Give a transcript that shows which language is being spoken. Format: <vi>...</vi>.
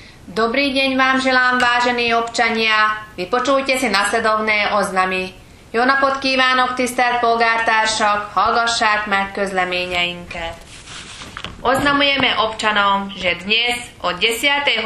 <sk>Dobrý deň vám želám, vážení občania. Vypočujte si nasledovné oznamy.</sk> <hu>Jónapot kívánok, tisztelt polgártársak, hallgassák meg közleményeinket.</hu> <sk>Oznamujeme občanom, že dnes od 10.</sk>